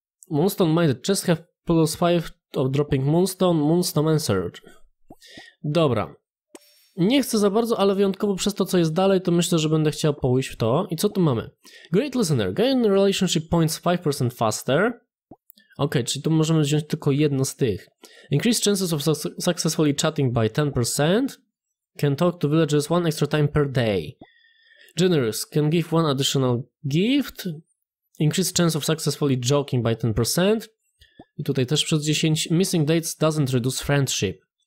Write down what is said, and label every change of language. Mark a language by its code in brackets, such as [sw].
[en] Moonstone mined chest have plus 5 of dropping moonstone. Moonstone answered. [pl] Dobra. Nie chcę za bardzo, ale wyjątkowo przez to, co jest dalej, to myślę, że będę chciał pójść w to. I co tu mamy? Great listener. [en] Gain relationship points 5% faster. [pl] Ok, czyli tu możemy wziąć tylko jedno z tych. [en] Increase chances of successfully chatting by 10%. Can talk to villagers one extra time per day. Generous. Can give one additional gift. Increase chance of successfully joking by 10%. [pl] I tutaj też przez 10. [en] Missing dates doesn't reduce friendship.